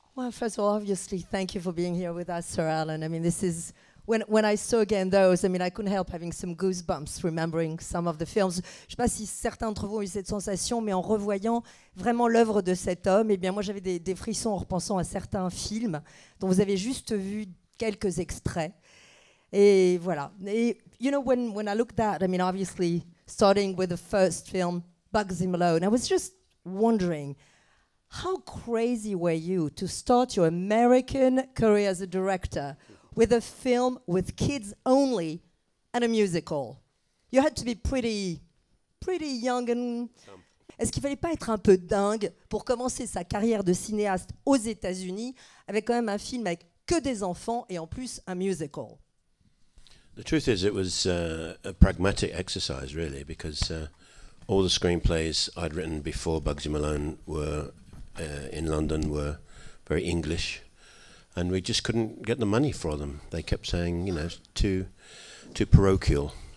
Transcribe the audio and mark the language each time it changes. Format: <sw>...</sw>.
<en>First of all, obviously, thank you for being here with us, Sir Alan. I mean, this is, when I saw again those, I mean, I couldn't help having some goosebumps remembering some of the films.</en> <fr>Je ne sais pas si certains d'entre vous ont eu cette sensation, mais en revoyant vraiment l'œuvre de cet homme, eh bien, moi, j'avais des frissons en repensant à certains films dont vous avez juste vu quelques extraits. Et voilà.</fr> <en>Et, you know, when I looked at, I mean, obviously, starting with the first film, Bugsy Malone, I was just wondering, how crazy were you to start your American career as a director with a film with kids only and a musical? You had to be pretty young and...</en> <fr>Est-ce qu'il fallait pas être un peu dingue pour commencer sa carrière de cinéaste aux États-Unis avec quand même un film avec que des enfants et en plus un musical?</fr> <en>The truth is it was a pragmatic exercise, really, because all the screenplays I'd written before Bugsy Malone were... in London were very English, and we just couldn't get the money for them. They kept saying, you know, too parochial.</en>